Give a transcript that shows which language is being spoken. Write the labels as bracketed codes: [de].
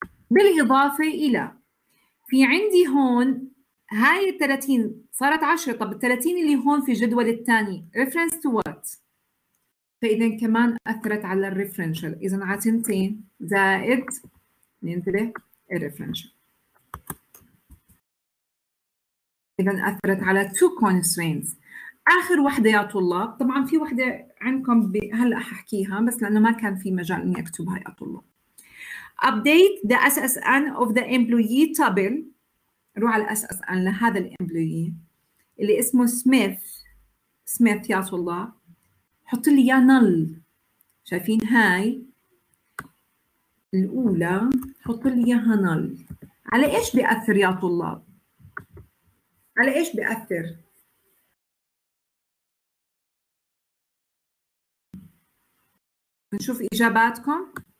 [ar] بالإضافة إلى في عندي هون هاي 30 صارت 10، طب 30 اللي هون في الجدول الثاني [en] reference to what، [ar] فإذا كمان أثرت على الريفرنشال، إذا على تنتين زائد ننتبه الريفرنشال، إذا أثرت على [en] two constraints. [ar] آخر واحدة يا طلاب، طبعاً في واحدة عندكم هلأ ححكيها بس لأنه ما كان في مجال إني أكتبها يا طلاب. [en] Update the SSN of the employee table. [ar] روح على SSN لهذا الـ employee اللي اسمه سميث، سميث يا طلاب، حط لي يا نل. شايفين هاي الأولى، حط لي يا نل. على إيش بيأثر يا طلاب؟ على إيش بيأثر؟ نشوف إجاباتكم.